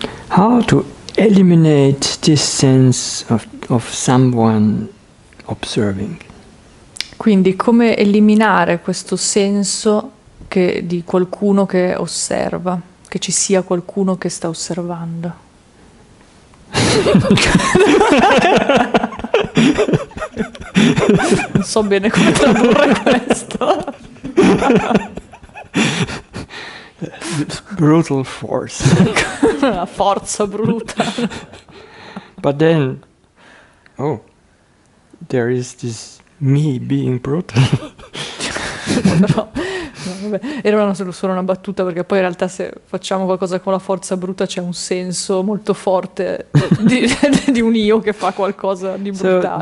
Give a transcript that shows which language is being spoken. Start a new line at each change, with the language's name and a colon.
English: How to eliminate this sense of someone observing?
Italian: Quindi come eliminare questo senso che di qualcuno che osserva, che ci sia qualcuno che sta osservando? Non so bene come tradurre questo.
English: Brutal force.
Italian: Una forza brutta.
English: But then, oh, there is this me being brutal.
Italian: Era solo una battuta, perché poi in realtà se facciamo qualcosa con la forza brutta c'è un senso molto forte di un io che fa qualcosa di brutale.